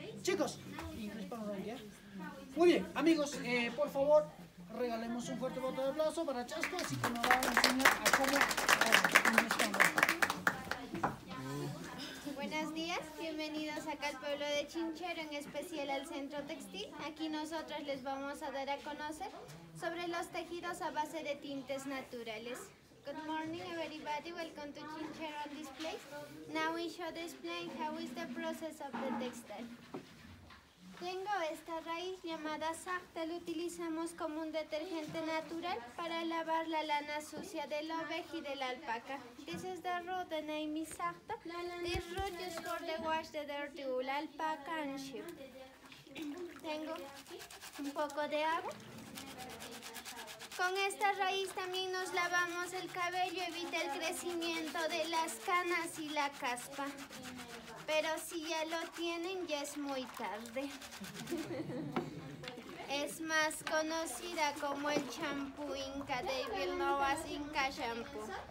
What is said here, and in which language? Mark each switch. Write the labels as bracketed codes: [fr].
[es] Chicos, inglés para hoy, ¿ya? Muy bien, amigos, por favor, regalemos un fuerte voto de aplauso para Chasco, así que nos va a enseñar a cómo. Buenos días, bienvenidos acá al pueblo de Chinchero, en especial al Centro Textil. Aquí nosotros les vamos a dar a conocer sobre los tejidos a base de tintes naturales. [en] Good morning everybody, welcome to Chinchero on this place. Now we shall explain how is the process of the textile. [es] Tengo esta raíz llamada sarta, la utilizamos como un detergente natural para lavar la lana sucia de la oveja y de la alpaca. [en] This is the root, the name is sarta. This root is for the wash the dirty wool, alpaca and sheep. [es] Tengo un poco de agua. Con esta raíz también nos lavamos el cabello, evita el crecimiento de las canas y la caspa. Pero si ya lo tienen, ya es muy tarde. Es más conocida como el champú Inca, David Novas Inca Shampoo.